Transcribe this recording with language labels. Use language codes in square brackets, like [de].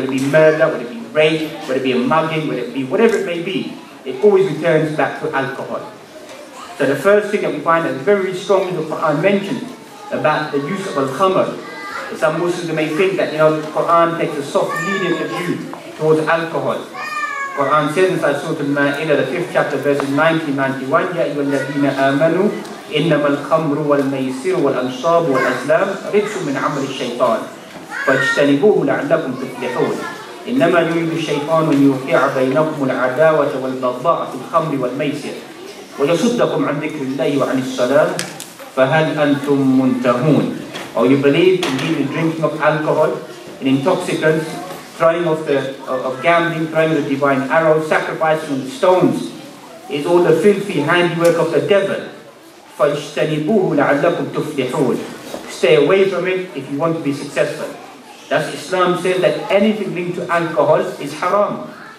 [en] Whether it be murder, whether it be rape, whether it be a mugging, whether it be whatever it may be, it always returns back to alcohol. So the first thing that we find that is very strongly the Quran mentioned about the use of al-khamr. Some Muslims may think that, you know, the Quran takes a soft, lenient view towards alcohol. Quran says inside Surah Al-Ma'idah, the 5th chapter, verses 19-91, [ar] يَا أَيُّهَا الَّذِينَ آمَنُوا إِنَّمَا الْخَمْرُ وَالْمَيْسِرُ وَالْأَنْصَابُ وَالْأَزْلَامُ رِجْسٌ مِنْ عَمَلِ الشَّيْطَانِ فَاجْتَنِبُوهُ لَعَلَّكُمْ تُفْلِحُونَ إِنَّمَا يُرِيدُ الشَّيْطَانُ أَنْ يُوقِعَ بَيْنَكُمُ الْعَدَاوَةَ وَالْبَغْضَاءَ فِي الْخَمْرِ وَالْمَيْسِرِ وَيَصُدَّكُمْ عَنْ ذِكْرِ اللَّهِ وَعَنِ الصَّلَاةِ فَهَلْ أَنْتُمْ مُنْتَهُونَ. [en] Or you believe indeed the drinking of alcohol, an intoxicant, throwing off of gambling, throwing the divine arrow, sacrificing on the stones, is all the filthy handiwork of the devil. [ar] فَاجْتَنِبُوهُ لَعَلَّكُمْ تُفْلِحُونَ. [en] Stay away from it if you want to be successful. Thus Islam says that anything linked to alcohol is haram.